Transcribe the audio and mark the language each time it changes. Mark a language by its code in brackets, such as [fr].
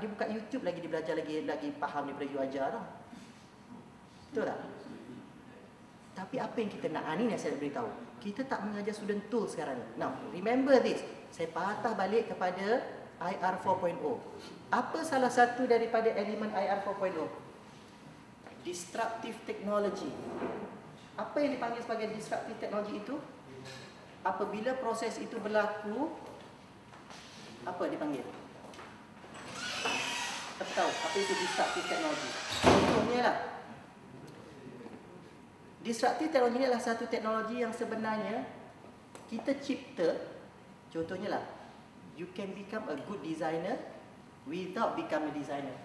[ms] Dia buka YouTube lagi, dia belajar lagi, lagi faham daripada you ajar lah. Betul tak? Tapi apa yang kita nak? Ini yang saya nak beritahu. Kita tak mengajar student tools sekarang ni. [en] Now, remember this. [ms] Saya patah balik kepada IR 4.0. Apa salah satu daripada elemen IR 4.0? [en] Disruptive technology. [ms] Apa yang dipanggil sebagai disruptive technology itu? Apabila proses itu berlaku, apa dipanggil? Tak tahu apa itu disruptive technology. Contohnya lah. Disruptive technology ini adalah satu teknologi yang sebenarnya kita cipta. Contohnya lah, [en] you can become a good designer without becoming a designer.